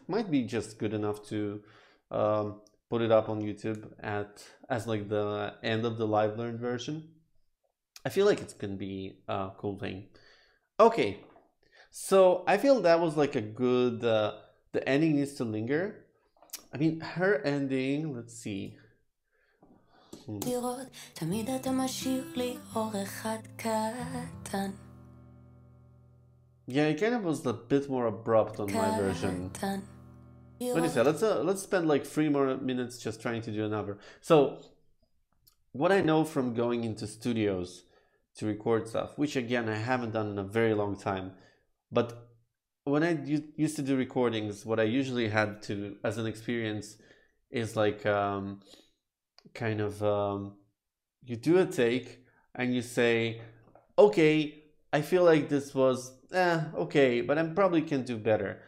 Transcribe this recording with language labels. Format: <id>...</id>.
<en>Might be just good enough to put it up on YouTube as like the end of the live learned version. I feel like it's gonna be a cool thing. Okay, so I feel that was like a good the ending needs to linger. I mean, her ending, let's see.</en> <he>לראות תמיד אתה משאיר לי אור אחד קטן</he> <en>Yeah, it kind of was a bit more abrupt on my version.</en> <he>קטן</he> <en>What do you say?</en> <he>לראות</he> <en>Let's spend like 3 more minutes just trying to do another. So, what I know from going into studios to record stuff, which again I haven't done in a very long time, but when I used to do recordings, what I usually had to as an experience is like kind of you do a take and you say, okay, I feel like this was okay, but I probably can do better.</en>